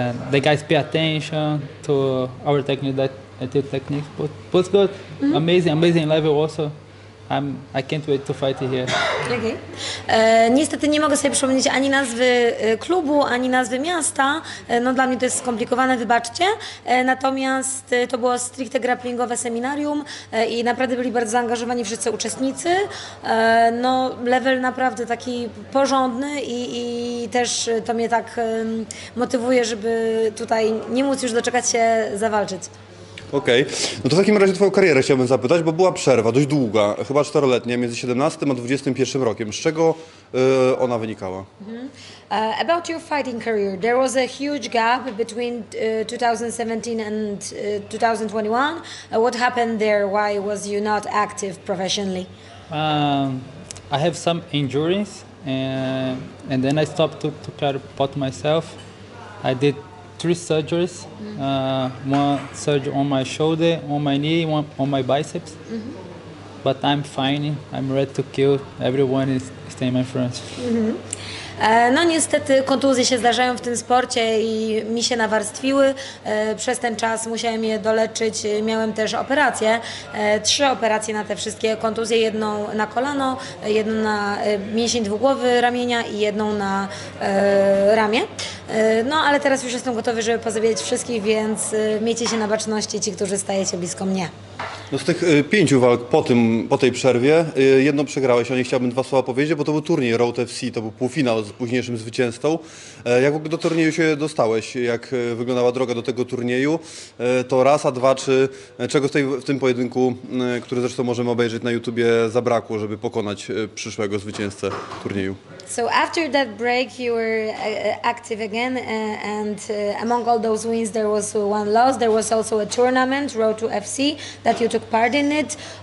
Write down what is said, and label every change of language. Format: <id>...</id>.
<en>The guys pay attention to our technique, that technique. But was good, mm-hmm. amazing level also. I can't wait to fight here. Okay.</en> <pl>Niestety nie mogę sobie przypomnieć ani nazwy klubu, ani nazwy miasta. No dla mnie to jest skomplikowane, wybaczcie. Natomiast to było stricte grapplingowe seminarium i naprawdę byli bardzo zaangażowani wszyscy uczestnicy. No level naprawdę taki porządny i też to mnie tak motywuje, żeby tutaj nie móc już doczekać się zawalczyć. Okej. Okay. No to w takim razie twoją karierę chciałbym zapytać, bo była przerwa dość długa, chyba 4-letnia, między 17 a 21 rokiem. Z czego ona wynikała? Mm-hmm.</pl> <en>About your fighting career, there was a huge gap between 2017 and 2021. What happened there? Why was you not active professionally? I have some injuries and then I stopped to try to put myself. I did 3 surgeries, mm-hmm. One surgery on my shoulder, on my knee, one on my biceps. Mm-hmm. But I'm fine, I'm ready to kill. Everyone is staying my friends.</en> <pl>No niestety kontuzje się zdarzają w tym sporcie i mi się nawarstwiły. Przez ten czas musiałem je doleczyć, miałem też operacje. 3 operacje na te wszystkie kontuzje, jedną na kolano, jedną na mięsień dwugłowy ramienia i jedną na ramię. No ale teraz już jestem gotowy, żeby pozabijać wszystkich, więc miejcie się na baczności ci, którzy stajecie blisko mnie. No z tych 5 walk po tej przerwie, jedną przegrałeś, o niej chciałbym 2 słowa powiedzieć, bo to był turniej Road FC, to był półfinał z późniejszym zwycięzcą. Jak w ogóle do turnieju się dostałeś? Jak wyglądała droga do tego turnieju? To raz, a dwa, czy czego w tym pojedynku, który zresztą możemy obejrzeć na YouTubie, zabrakło, żeby pokonać przyszłego zwycięzcę turnieju?</pl> <en>So after that break, you were active again, and among all those wins, there was one loss. There was also a tournament, Road to FC, that you took part in it.</en>